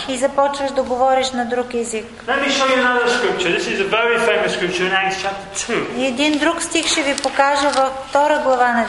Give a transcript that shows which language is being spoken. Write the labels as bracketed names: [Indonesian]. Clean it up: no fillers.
[Bulgarian] И започваш да говориш на друг език. [English] Let me show you another scripture. This is a very famous scripture. [Bulgarian] И един друг стих ще ви покажа във втора глава на